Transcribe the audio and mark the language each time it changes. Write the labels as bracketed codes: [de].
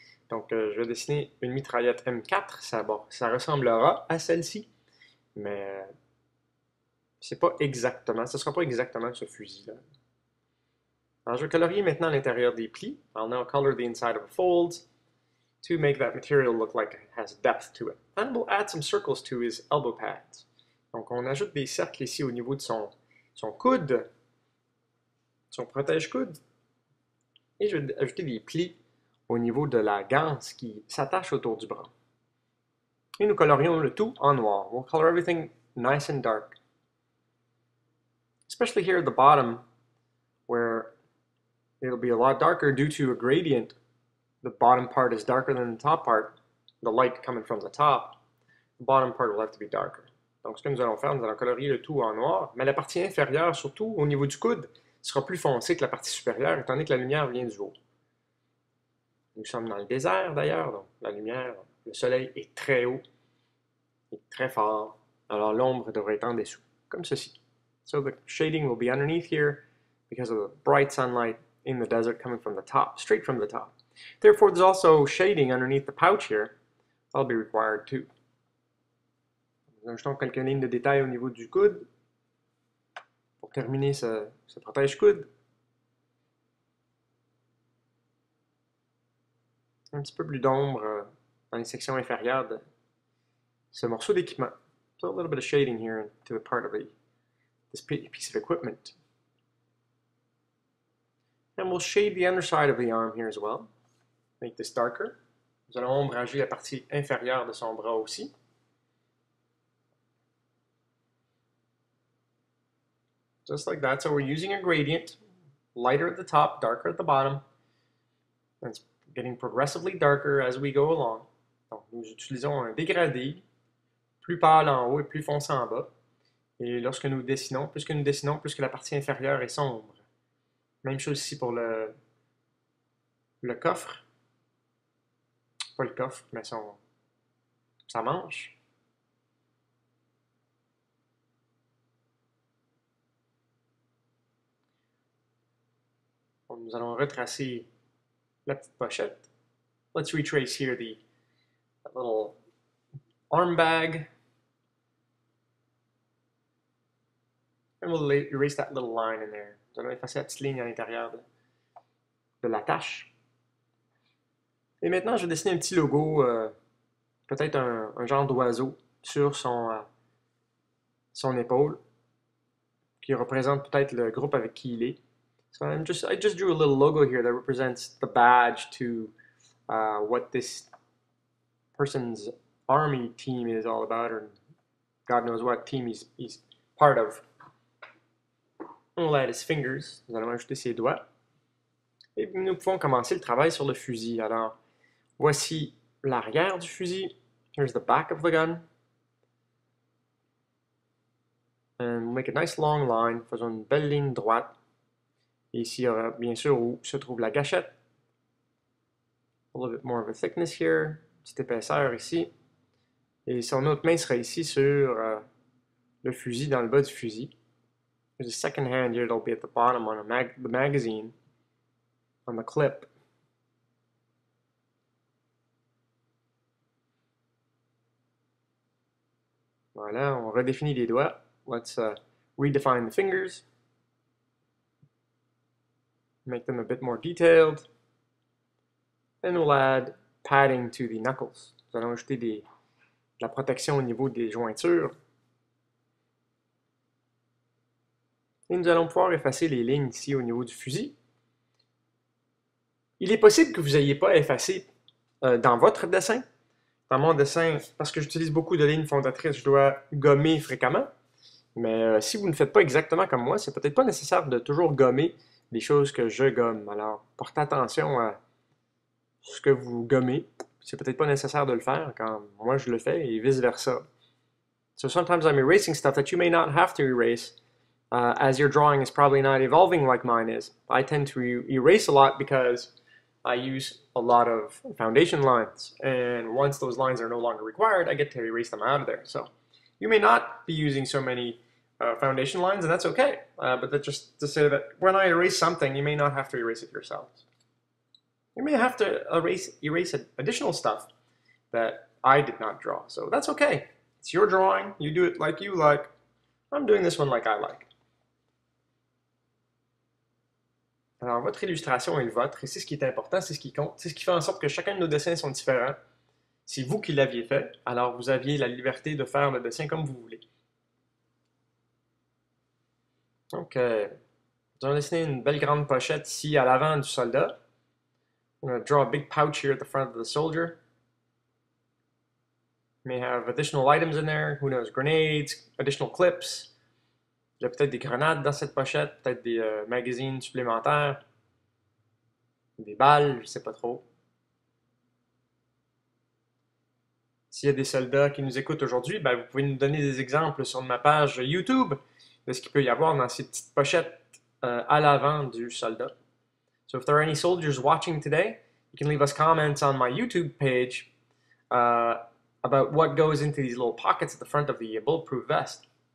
[fr] Donc, je vais dessiner une mitraillette M4. Ça ressemblera à celle-ci, mais C'est pas exactement, ce sera pas exactement ce fusil-là. Alors, je vais colorier maintenant l'intérieur des plis. [en] I'll now color the inside of a fold to make that material look like it has depth to it. And we'll add some circles to his elbow pads. [fr] Donc, on ajoute des cercles ici au niveau de son coude, son protège-coude. Et je vais ajouter des plis au niveau de la ganse qui s'attache autour du bras. Et nous colorions le tout en noir. [en] We'll color everything nice and dark. Especially here at the bottom, where it'll be a lot darker due to a gradient. The bottom part is darker than the top part. The light coming from the top, the bottom part will have to be darker. [fr] Donc ce que nous allons faire, nous allons colorier le tout en noir, mais la partie inférieure, surtout au niveau du coude, sera plus foncée que la partie supérieure, étant donné que la lumière vient du haut. Nous sommes dans le désert d'ailleurs, donc la lumière, le soleil est très haut, et très fort, alors l'ombre devrait être en dessous, comme ceci. [en] So the shading will be underneath here because of the bright sunlight in the desert coming from the top, straight from the top. Therefore, there's also shading underneath the pouch here. That'll be required too. [fr] Nous ajoutons quelques lignes de détail au niveau du coude pour terminer ce protège-coude. Un petit peu plus d'ombre dans les sections inférieures de ce morceau d'équipement. [en] So a little bit of shading here to the part of this piece of equipment. And we'll shade the underside of the arm here as well. Make this darker. [fr] Nous allons ombrager la partie inférieure de son bras aussi. [en] Just like that. So we're using a gradient. Lighter at the top, darker at the bottom. And it's getting progressively darker as we go along. [fr] Donc nous utilisons un dégradé. Plus pâle en haut et plus foncé en bas. Et lorsque nous dessinons, plus que la partie inférieure est sombre. Même chose ici pour le coffre. Pas le coffre, mais sa manche. Bon, nous allons retracer la petite pochette. [en] Let's retrace here the little arm bag. And we'll erase that little line in there. [fr] Nous allons effacer la petite ligne à l'intérieur de la tâche. Et maintenant, je vais dessiner un petit logo, peut-être un genre d'oiseau, sur son épaule, qui représente peut-être le groupe avec qui il est. [en] So I just drew a little logo here that represents the badge to what this person's army team is all about, or God knows what team he's part of. We'll add his fingers. [fr] Nous allons ajouter ses doigts. Et nous pouvons commencer le travail sur le fusil. Alors, voici l'arrière du fusil. [en] Here's the back of the gun. And we'll make a nice long line. [fr] Faisons une belle ligne droite. Et ici, il y aura bien sûr où se trouve la gâchette. [en] A little bit more of a thickness here. [fr] Petite épaisseur ici. Et son autre main sera ici sur le fusil, dans le bas du fusil. [en] There's a second hand here that'll be at the bottom on the magazine, on the clip. [fr] Voilà, on redéfinit les doigts. [en] Let's redefine the fingers. Make them a bit more detailed. And we'll add padding to the knuckles. [fr] Nous allons ajouter de la protection au niveau des jointures. Et nous allons pouvoir effacer les lignes ici au niveau du fusil. Il est possible que vous n'ayez pas effacé dans votre dessin. Dans mon dessin, parce que j'utilise beaucoup de lignes fondatrices, je dois gommer fréquemment. Mais si vous ne faites pas exactement comme moi, c'est peut-être pas nécessaire de toujours gommer les choses que je gomme. Alors, portez attention à ce que vous gommez. C'est peut-être pas nécessaire de le faire quand moi je le fais et vice-versa. [en] So sometimes I'm erasing stuff that you may not have to erase. As your drawing is probably not evolving like mine is, I tend to erase a lot because I use a lot of foundation lines. And once those lines are no longer required, I get to erase them out of there. So you may not be using so many foundation lines, and that's okay. But that's just to say that when I erase something, you may not have to erase it yourselves. You may have to erase additional stuff that I did not draw. So that's okay. It's your drawing. You do it like you like. I'm doing this one like I like. [fr] Alors, votre illustration est le vôtre, et c'est ce qui est important, c'est ce qui compte, c'est ce qui fait en sorte que chacun de nos dessins sont différents. C'est vous qui l'aviez fait, alors vous aviez la liberté de faire le dessin comme vous voulez. Donc, nous allons dessiner une belle grande pochette ici à l'avant du soldat. [en] We're going to draw a big pouch here at the front of the soldier. May have additional items in there. Who knows? Grenades, additional clips. [fr] Il y a peut-être des grenades dans cette pochette, peut-être des magazines supplémentaires. Des balles, je ne sais pas trop. S'il y a des soldats qui nous écoutent aujourd'hui, ben vous pouvez nous donner des exemples sur ma page YouTube de ce qu'il peut y avoir dans ces petites pochettes à l'avant du soldat. [en] So if there are any soldiers watching today, you can leave us comments on my YouTube page about what goes into these little pockets at the front of the bulletproof vest.